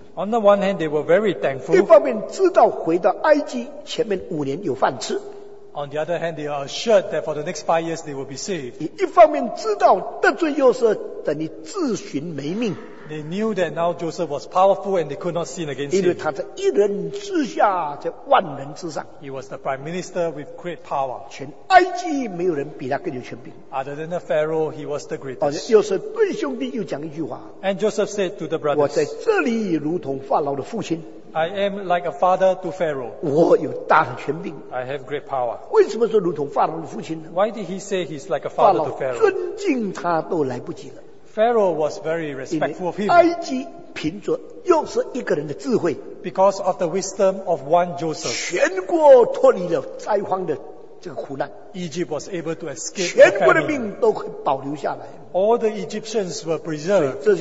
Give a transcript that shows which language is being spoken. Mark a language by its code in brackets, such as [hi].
[en] on the one hand, they were very thankful. [zh] 一方面知道回到埃及前面五年有饭吃, [en] on the other hand, they are assured that for the next 5 years, they will be saved. [zh] 一方面知道得罪约瑟等于自寻没命, [en] they knew that now Joseph was powerful and they could not sin against him. [zh] 因为他在一人之下在万人之上, [en] he was the prime minister with great power. [zh] 全埃及没有人比他更有权柄, [en] other than the Pharaoh, he was the greatest. [zh] 而且又是对兄弟又讲一句话, [en] and Joseph said to the brothers, [zh] 我在这里如同法老的父亲, [en] I am like a father to Pharaoh. [zh] 我有大的权柄, [en] I have great power. [zh] 为什么说如同法老的父亲呢? [en] Why did he say he's like a father to Pharaoh? [zh] 尊敬他都来不及了, [en] Pharaoh was very respectful of him. [zh] 埃及凭着又是一个人的智慧, [en] because of the wisdom of one Joseph, [zh] 全国脱离了灾荒的这个苦难, [en] Egypt was able to escape. [zh] 全国的命都保留下来, [en] all the Egyptians were preserved.